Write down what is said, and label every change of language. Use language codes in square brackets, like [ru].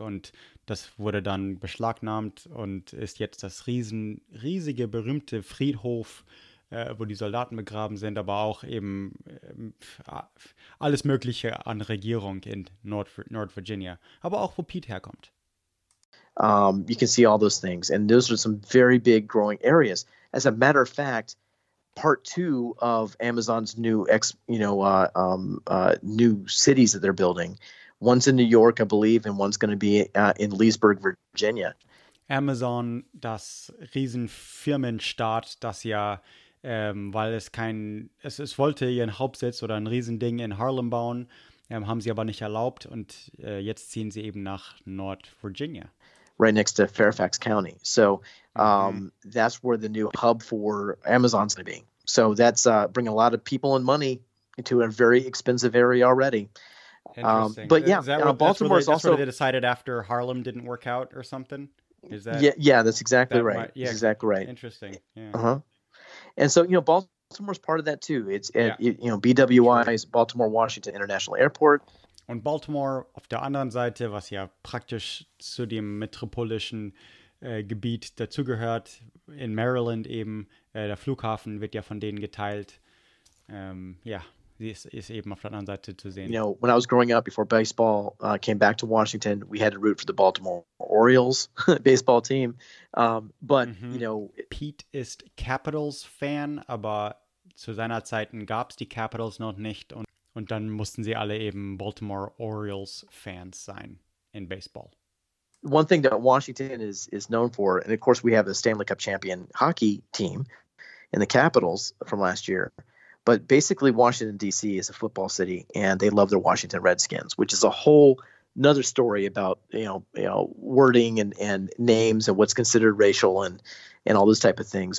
[de] Und das wurde dann beschlagnahmt und ist jetzt das riesige, berühmte Friedhof, wo die Soldaten begraben sind, aber auch eben alles Mögliche an Regierung in North Virginia, aber auch wo Pete herkommt. [en] You can see all those things, and those are some very big growing areas. As a matter of fact, part two of Amazon's new cities that they're building, one's in New York, I believe, and one's going to be in Leesburg, Virginia. [de] Amazon, das Riesenfirmenstaat, das ja weil es wollte ihren Hauptsitz oder ein Riesending in Harlem bauen, Haben sie aber nicht erlaubt und jetzt ziehen sie eben nach North Virginia. [en] Right next to Fairfax County. So that's where the new hub for Amazon's going to be. So that's bringing a lot of people and money into a very expensive area already. But yeah, Baltimore is also... That's where they decided after Harlem didn't work out or something? Is that? Yeah, that's exactly right. Might, yeah, exactly right. Interesting. Yeah. And so, you know, Baltimore's part of that too. It's, you know, BWI is Baltimore Washington International Airport. [de] Und Baltimore auf der anderen Seite, was ja praktisch zu dem metropolitischen Gebiet dazugehört, in Maryland eben, der Flughafen wird ja von denen geteilt. Ja, sie ist eben auf der anderen Seite zu sehen. [en] You know, when I was growing up, before baseball came back to Washington, we had to root for the Baltimore Orioles baseball team. You know, [de] Pete ist Capitals-Fan, aber zu seiner Zeit gab es die Capitals noch nicht und und dann mussten sie alle eben Baltimore Orioles Fans sein in Baseball. [en] One thing that Washington is known for, and of course we have the Stanley Cup champion hockey team in the Capitals from last year, but basically Washington D.C. is a football city, and they love their Washington Redskins, which is a whole another story about you know wording and names and what's considered racial and all those type of things.